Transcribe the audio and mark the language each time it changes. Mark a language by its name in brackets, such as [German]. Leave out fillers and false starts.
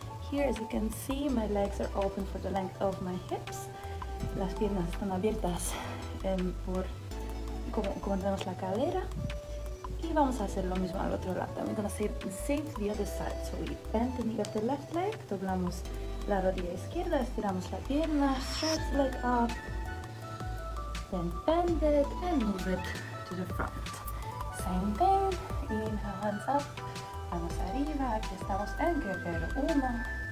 [English] Here, as you can see, my legs are open for the length of my hips. [Spanish] Las piernas están abiertas por como tenemos la cadera. Y vamos a hacer lo mismo al otro lado. [English] We're gonna say the same to the other side. So we bend the knee of the left leg, [Spanish] doblamos la rodilla izquierda, estiramos la pierna, [English] stretch the leg up. then bend it and move it to the front. Same thing, inhale, hands up. [Spanish] Vamos arriba, aquí estamos en guerrero. Una.